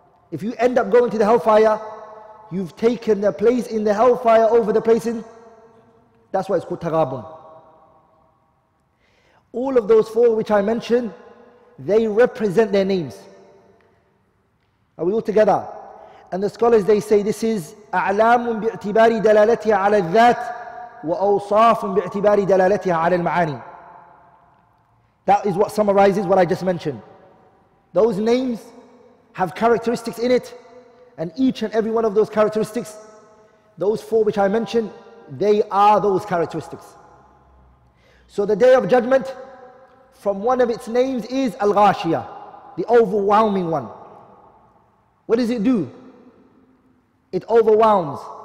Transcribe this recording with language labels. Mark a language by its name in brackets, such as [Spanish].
[English] If you end up going to the hellfire, you've taken the place in the hellfire over the place in... That's why it's called تغابن. All of those four which I mentioned, they represent their names. Are we all together? And the scholars, they say this is [Arabic] أعلام باعتبار دلالتها على الذات وأوصاف باعتبار دلالتها على المعاني. [English] That is what summarizes what I just mentioned. Those names have characteristics in it, and each and every one of those characteristics, those four which I mentioned, they are those characteristics. So the Day of Judgment, from one of its names is Al-Ghashiyah, the overwhelming one. What does it do? It overwhelms.